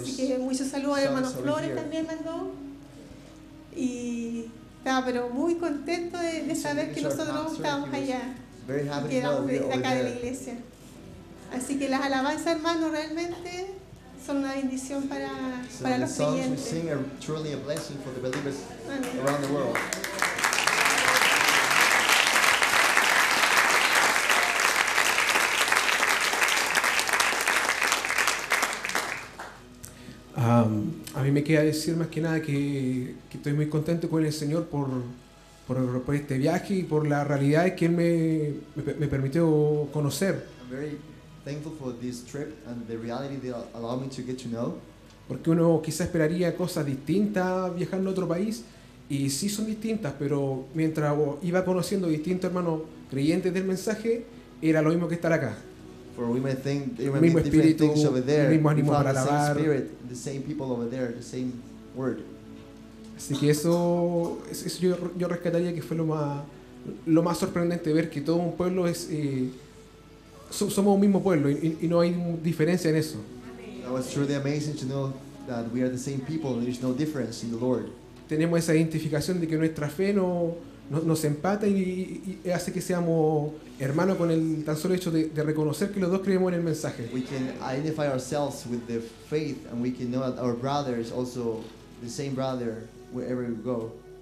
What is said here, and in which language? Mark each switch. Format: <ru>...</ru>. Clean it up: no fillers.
<es>Así que muchos saludos a hermano Flores también mandó. Y estaba, pero muy contento de saber que nosotros estábamos allá.</es> <en>Very happy</en> <es>que éramos de acá de la iglesia. Así que las alabanzas, hermano, realmente son una bendición para los creyentes.</es> <en>The songs we sing are truly a blessing for the believers around the world.</en> <es>A mí me queda decir más que nada que estoy muy contento con el Señor por este viaje y por la realidad que Él me permitió conocer.</es> <en>Thankful for this trip and the reality they allow me to get to know.</en> <es>Porque uno quizá esperaría cosas distintas viajando a otro país y sí son distintas, pero mientras iba conociendo distintos hermanos creyentes del mensaje, era lo mismo que estar acá.</es> <en>For we may think there may be different things over there.</en> <es>El mismo ánimo para alabar.</es> <en>The same spirit, the same people over there, the same word.</en> <es>Así que eso yo rescataría que fue lo más sorprendente, ver que todo un pueblo es somos un mismo pueblo y no hay diferencia en eso.</es> <en>That was truly amazing to know that we are the same people and there's no difference in the Lord.</en> <es>Tenemos esa identificación de que nuestra fe nos empata y hace que seamos hermanos con el tan solo hecho de reconocer que los dos creemos en el mensaje.</es> <en>We can identify ourselves with the faith and we can know that our brother is also the same brother wherever we go.</en>